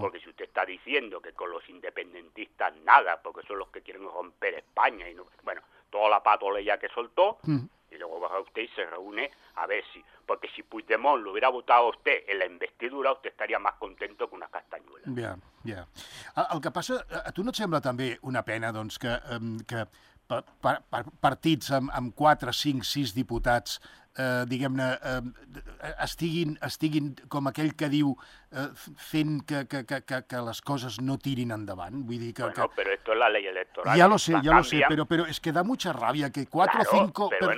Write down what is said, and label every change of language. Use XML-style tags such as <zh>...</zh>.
<es>Porque si usted está diciendo que con los independentistas nada, porque son los que quieren romper España, y no, bueno, toda la patoleya que soltó, y luego baja usted y se reúne a ver si... Porque si Puigdemont lo hubiera votado a usted en la investidura, usted estaría más contento que una castanyuela.</es> <ca>Ja. El que passa, a tu no et sembla també una pena, doncs, que partits amb 4, 5, 6 diputats, diguem-ne, estiguin com aquell que diu fent que les coses no tirin endavant. Vull dir que... Bueno, que...</ca> <es>pero esto es la ley electoral. Ya lo sé, pero es que da mucha rabia que 4 o 5...</es>